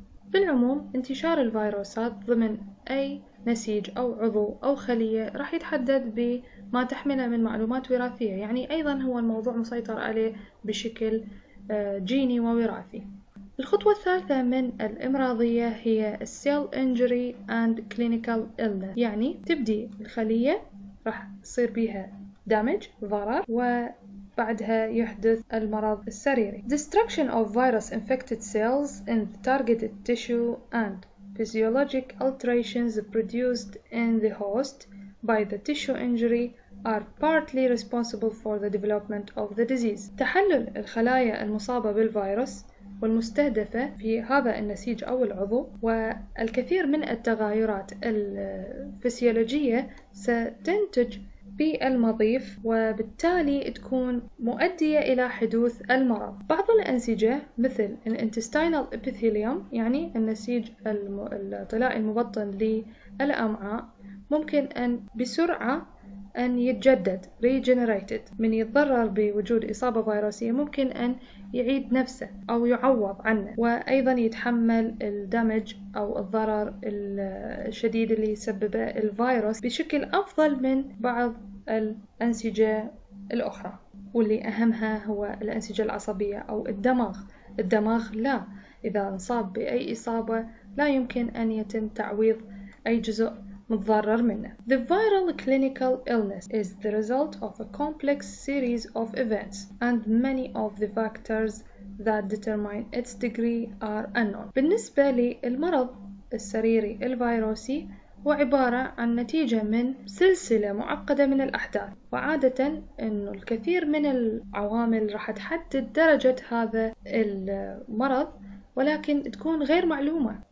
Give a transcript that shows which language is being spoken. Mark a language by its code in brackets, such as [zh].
[ar] بالعموم انتشار الفيروسات ضمن أي نسيج أو عضو أو خلية راح يتحدد بما تحمله من معلومات وراثية، يعني أيضا هو الموضوع مسيطر عليه بشكل جيني ووراثي. الخطوة الثالثة من الإمراضية هي [en] Cell Injury and Clinical Illness، [ar] يعني تبدي الخلية راح يصير بيها damage ضرر وبعدها يحدث المرض السريري. [en] Destruction of virus infected cells in the targeted tissue and physiologic alterations produced in the host by the tissue injury are partly responsible for the development of the disease. [ar] تحلل الخلايا المصابة بالفيروس والمستهدفة في هذا النسيج أو العضو والكثير من التغيرات الفسيولوجية ستنتج بالمضيف وبالتالي تكون مؤدية إلى حدوث المرض. بعض الأنسجة مثل الانتستينال إبيثيليوم، يعني النسيج الطلاء المبطن للأمعاء، ممكن أن بسرعة أن يتجدد regenerated. من يتضرر بوجود إصابة فيروسية ممكن أن يعيد نفسه أو يعوض عنه، وأيضا يتحمل الدمج أو الضرر الشديد اللي سببه الفيروس بشكل أفضل من بعض الأنسجة الأخرى، واللي أهمها هو الأنسجة العصبية أو الدماغ. الدماغ لا، إذا انصاب بأي إصابة لا يمكن أن يتم تعويض أي جزء متضرر منه. [en] The viral clinical illness is the result of a complex series of events and many of the factors that determine its degree are unknown. [ar] بالنسبة للمرض السريري الفيروسي هو عبارة عن نتيجة من سلسلة معقدة من الأحداث، وعادة إنه الكثير من العوامل راح تحدد درجة هذا المرض، ولكن تكون غير معلومة.